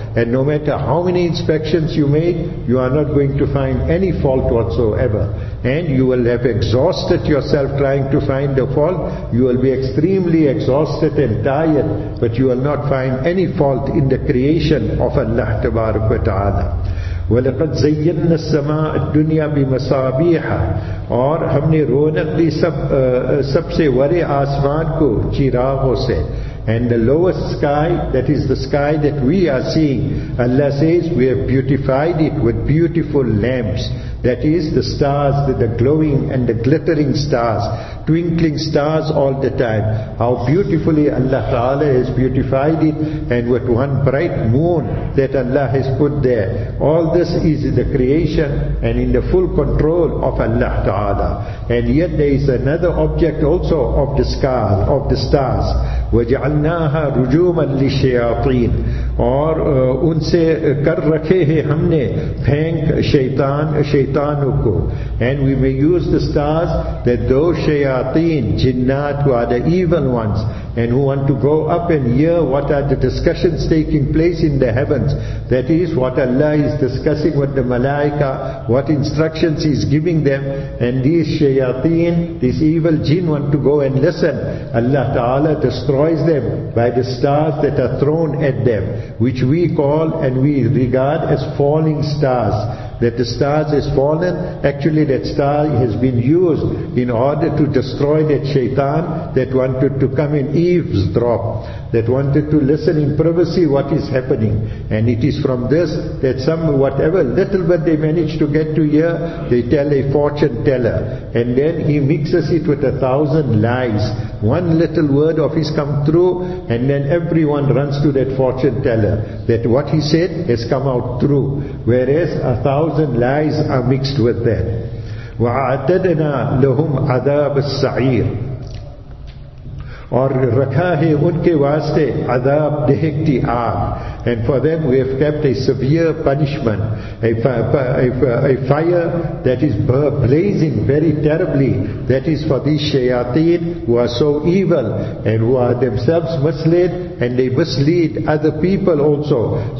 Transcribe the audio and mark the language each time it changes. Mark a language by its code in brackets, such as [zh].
[en] And no matter how many inspections you make, you are not going to find any fault whatsoever. And you will have exhausted yourself trying to find the fault. You will be extremely exhausted and tired, but you will not find any fault in the creation of Allah Tabaraka wa Ta'ala. [ar] وَلَقَدْ زَيَّنَّ السَّمَاءَ الدُّنْيَا بِمَصَابِيحَ [ur] اور ہم نے رونق دی سب سے ورے آسمان کو چراغوں سے. [en] And the lowest sky, that is the sky that we are seeing, Allah says we have beautified it with beautiful lamps. That is the stars, the glowing and the glittering stars, twinkling stars all the time. How beautifully Allah Ta'ala has beautified it, and with one bright moon that Allah has put there. All this is the creation and in the full control of Allah Ta'ala. And yet there is another object also of the sky, of the stars. [ar] وَجَعَلْنَاهَا رُجُومًا لِلشَّيَاطِينَ [ur] اور ان سے کر رکھے ہیں ہم نے پھینک شیطانوں کو. [en] And we may use the stars that those shayateen, jinnat, who are the evil ones and who want to go up and hear what are the discussions taking place in the heavens. That is what Allah is discussing with the malaika, what instructions He is giving them. And these shayateen, these evil jinn, want to go and listen. Allah Ta'ala destroys them by the stars that are thrown at them, which we call and we regard as falling stars. That the stars has fallen, actually that star has been used in order to destroy that shaitan that wanted to come and eavesdrop, that wanted to listen in privacy what is happening. And it is from this that some, whatever little bit they manage to get to hear, they tell a fortune teller. And then he mixes it with 1,000 lies. One little word of his come through, and then everyone runs to that fortune teller, that what he said has come out true. Whereas 1,000 lies are mixed with that. [ar] وَعَتَدْنَا لَهُمْ عَذَابَ السَّعِيرِ [ur] اور رکھا ہے ان کے واسطے عذاب دہکتی آگ. [en] And for them we have kept a severe punishment, a fire that is blazing very terribly. That is for these shayateen who are so evil and who are themselves misled, and they mislead other people also.